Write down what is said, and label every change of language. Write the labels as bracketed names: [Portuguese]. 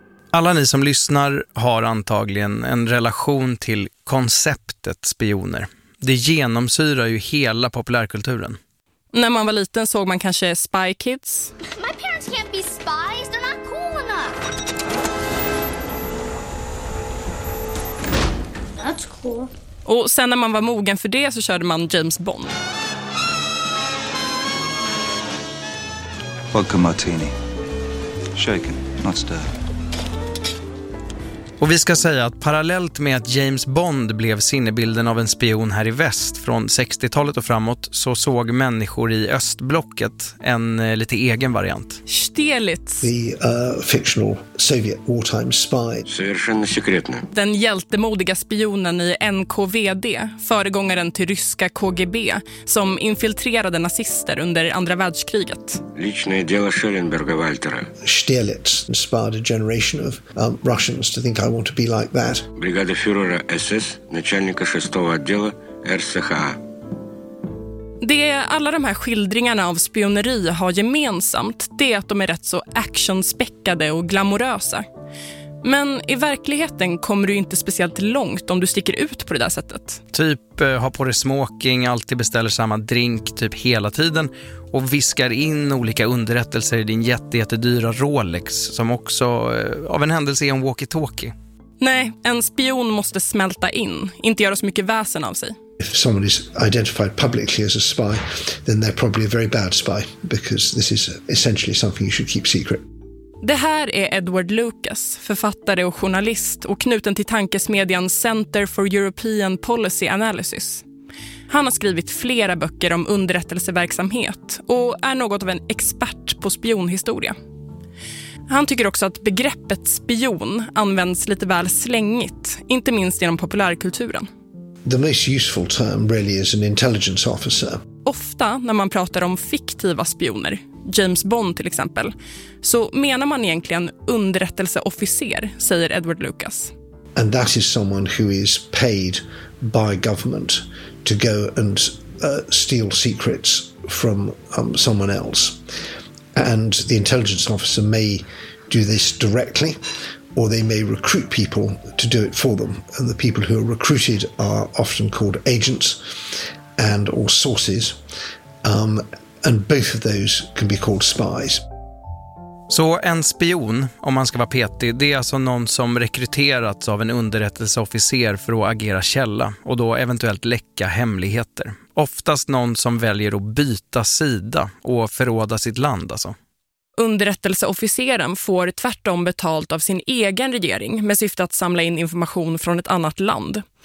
[Swedish] Alla ni som lyssnar har antagligen en relation till konceptet spioner. Det genomsyrar ju hela populärkulturen. När man var liten såg man kanske Spy Kids. [English] My parents can't be spies, they're not cool enough. That's cool. [Swedish] Och sen när man var mogen för det så körde man James Bond. [English] Vodka martini. Shaken, not stirred. [Swedish] Och vi ska säga att parallellt med att James Bond blev sinnebilden av en spion här i väst från 60-talet och framåt, så såg människor i östblocket en lite egen variant. Stelitz. [English] The fictional Soviet wartime spy. [Swedish] Den hjältemodiga spionen i NKVD, föregångaren till ryska KGB, som infiltrerade nazister under andra världskriget. [Russian] Личное дело Шелленберга Вальтера. [English] Stelitz inspired a generation of Russians to think I want to be like that. [Russian] Бригадефюрер СС, начальника 6-го отдела РСХА. [Swedish] Det alla de här skildringarna av spioneri har gemensamt, det är att de är rätt så actionspäckade och glamorösa. Men i verkligheten kommer du inte speciellt långt om du sticker ut på det där sättet. Typ har på dig smoking, alltid beställer samma drink typ hela tiden och viskar in olika underrättelser i din jättedyra Rolex som också av en händelse är en walkie-talkie. Nej, en spion måste smälta in, inte göra så mycket väsen av sig. [English] If someone is identified publicly as a spy, then they're probably a very bad spy because this is essentially something you should keep secret. [Swedish] Det här är Edward Lucas, författare och journalist och knuten till tankesmedjan Center for European Policy Analysis. Han har skrivit flera böcker om underrättelseverksamhet och är något av en expert på spionhistoria. Han tycker också att begreppet spion används lite väl slängigt, inte minst inom populärkulturen. [English] The most useful term really is an intelligence officer. [Swedish] Ofta när man pratar om fiktiva spioner, James Bond till exempel, så menar man egentligen underrättelseofficer, säger Edward Lucas. [English] And that is someone who is paid by government to go and steal secrets from someone else. And the intelligence officer may do this directly, or they may recruit people to do it for them. And the people who are recruited are often called agents and or sources. And both of those can be called spies. [Swedish] Så en spion, om man ska vara petig, det är alltså någon som rekryterats av en underrättelseofficer för att agera källa och då eventuellt läcka hemligheter. Oftast någon som väljer att byta sida och förråda sitt land alltså. Underrättelseofficeren får tvärtom betalt av sin egen regering med syfte att samla in information från ett annat land.